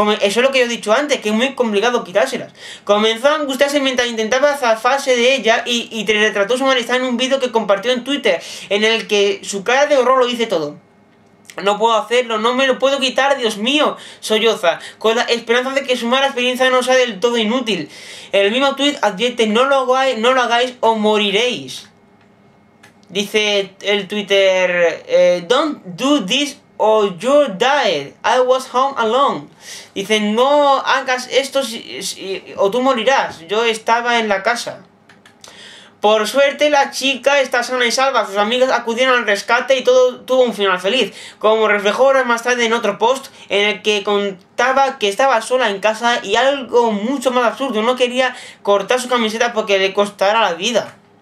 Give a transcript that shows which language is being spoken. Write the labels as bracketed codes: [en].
[es] Eso es lo que yo he dicho antes, que es muy complicado quitárselas. Comenzó a angustiarse mientras intentaba zafarse de ella y retrató su malestar en un vídeo que compartió en Twitter, en el que su cara de horror lo dice todo. No puedo hacerlo, no me lo puedo quitar, Dios mío, solloza, con la esperanza de que su mala experiencia no sea del todo inútil. El mismo tuit advierte: no lo hagáis o moriréis. Dice el Twitter: [en] don't do this or you'll die. I was home alone. [es] Dice: no hagas esto o tú morirás. Yo estaba en la casa. Por suerte, la chica está sana y salva. Sus amigas acudieron al rescate y todo tuvo un final feliz, como reflejó horas más tarde en otro post en el que contaba que estaba sola en casa y algo mucho más absurdo, no quería cortar su camiseta porque le costara la vida.